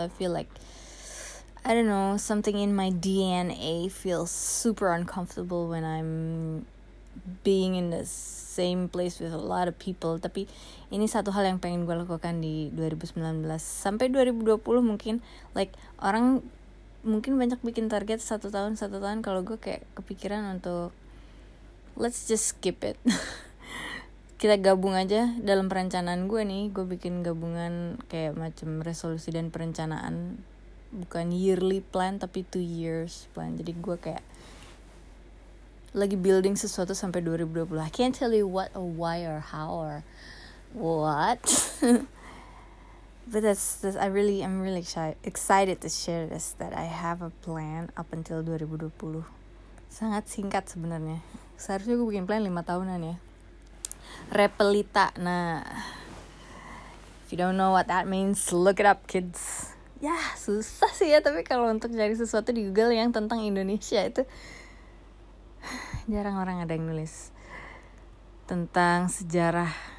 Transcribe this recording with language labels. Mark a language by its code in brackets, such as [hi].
[en] I feel like, I don't know, something in my DNA feels super uncomfortable when I'm being in the same place with a lot of people. [id] Tapi ini satu hal yang pengen gue lakukan di 2019 sampai 2020 mungkin. Like, orang mungkin banyak bikin target satu tahun. Kalau gue kayak kepikiran untuk, [en] let's just skip it. [id] Kita gabung aja dalam perencanaan gue nih. Gue bikin gabungan kayak macam resolusi dan perencanaan. Bukan yearly plan, tapi 2 years plan. Jadi gue kayak lagi building sesuatu sampai 2020. [en] I can't tell you what or why or how or what. But I'm really excited to share this, that I have a plan up until 2020. [id] Sangat singkat sebenarnya. Seharusnya gue bikin plan 5 tahunan ya. Repelita. [en] Nah, if you don't know what that means, look it up, kids. [id] Ya, susah sih ya, tapi kalau untuk cari sesuatu di Google yang tentang Indonesia itu jarang orang ada yang nulis tentang sejarah.